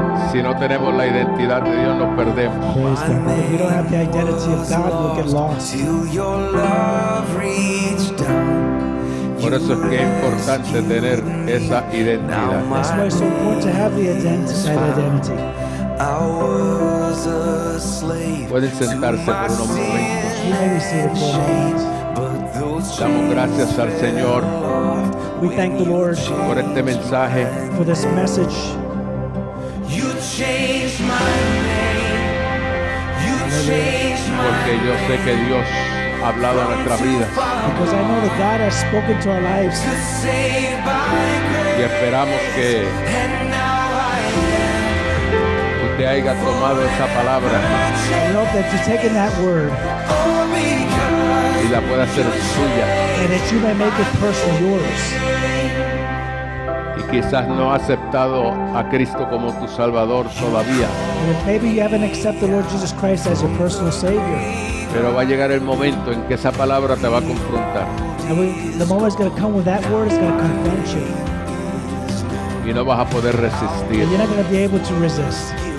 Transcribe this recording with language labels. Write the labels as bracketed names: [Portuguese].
[Spanish] Si no tenemos la identidad de Dios, nos perdemos. [English] If you don't have the identity of God, you'll get lost. Your love reached down. [Spanish] Por eso es que es importante tener esa identidad. [English] That's why it's so important to have the identity. [Spanish] Pueden sentarse por unos momentos. Damos gracias al Señor. [English] We thank the Lord [Spanish] por este mensaje. [English] For this message. You changed my name. You changed my name. [Spanish] Porque yo sé que Dios ha hablado a nuestras vidas. [English] Because I know that God has spoken to our lives. [Spanish] Y esperamos que te haya tomado esa palabra. [English] I hope that you've taken that word. [Spanish] Y la pueda hacer suya. [English] And that you may make it personal yours. [Spanish] Y quizás no ha aceptado a Cristo como tu Salvador todavía. [English] And if maybe you haven't accepted the Lord Jesus Christ as your personal Savior. [Spanish] Pero va a llegar el momento en que esa palabra te va a confrontar. [English] And the moment is going to come when that word is going to confront you. [Spanish] Y no vas a poder resistir. [English] And you're not going to be able to resist.